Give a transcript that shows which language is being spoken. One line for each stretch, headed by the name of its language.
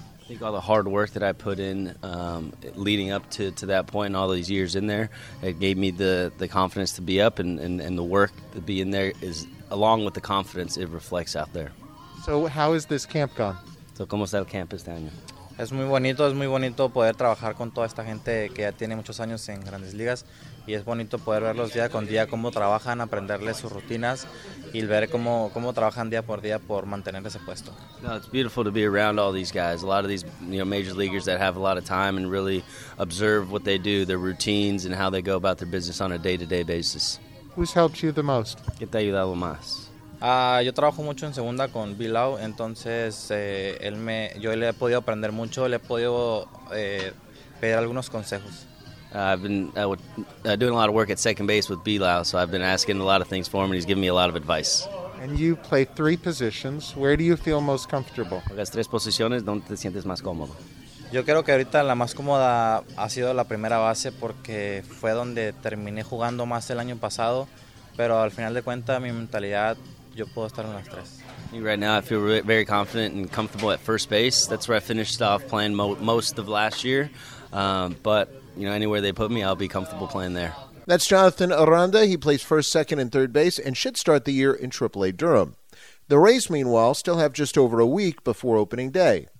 English: I think all the hard work that I put in leading up to that point and all these years in there, it gave me the confidence to be up, and the work to be in there is, along with the confidence, it reflects out there. So how has this camp gone?
Spanish: So ¿cómo está el camp este año? Es muy bonito poder trabajar con toda esta gente que ya tiene muchos años en Grandes Ligas, y es bonito poder verlos día con día cómo trabajan, aprenderles sus rutinas y ver cómo trabajan día por mantener ese puesto.
English: No, it's beautiful to be around all these guys. A lot of these, you know, major leaguers that have a lot of time and really observe what they do, their routines and how they go about their business on a day-to-day basis. Who's helped you the most?
Spanish: ¿Qué te ha ayudado más? Yo trabajo mucho en segunda con Bill Lau, entonces yo le he podido aprender mucho, le he podido pedir algunos consejos.
English: I've been doing a lot of work at second base with Bill Lau, so I've been asking a lot of things for him, and he's given me a lot of advice. And you play three positions. Where do you feel most comfortable?
Spanish: Juegas tres posiciones, ¿dónde te sientes más cómodo? Yo creo que ahorita la más cómoda ha sido la primera base porque fue donde terminé jugando más el año pasado, pero al final de cuentas mi mentalidad... Yo puedo estar en las tres.
English: Right now, I feel very confident and comfortable at first base. That's where I finished off playing most of last year. But, you know, anywhere they put me, I'll be comfortable playing there. That's Jonathan Aranda. He plays first, second, and third base and should start the year in AAA Durham. The Rays, meanwhile, still have just over a week before opening day.